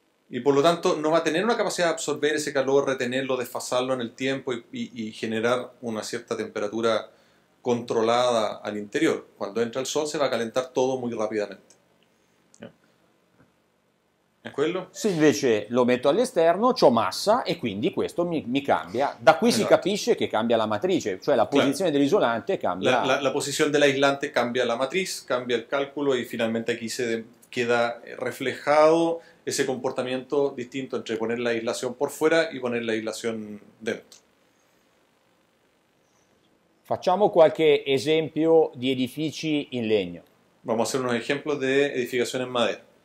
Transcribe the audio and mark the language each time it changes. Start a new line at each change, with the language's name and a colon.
Spanish: Y por lo tanto no va a tener una capacidad de absorber ese calor, retenerlo, desfasarlo en el tiempo y generar una cierta temperatura controlada al interior. Cuando entra el sol se va a calentar todo muy rápidamente. ¿De acuerdo?
Italian: Si invece lo metto all'esterno, c'ho massa e quindi questo mi cambia. Da qui si capisce che cambia la matrice, cioè la posizione dell'isolante cambia.
Spanish: La posición del aislante cambia la matriz, cambia el cálculo y finalmente aquí se queda reflejado ese comportamiento distinto entre poner la aislación por fuera y poner la aislación dentro.
Italian: Facciamo qualche esempio di edifici in legno.
Spanish: Vamos a hacer unos ejemplos de edificación en madera.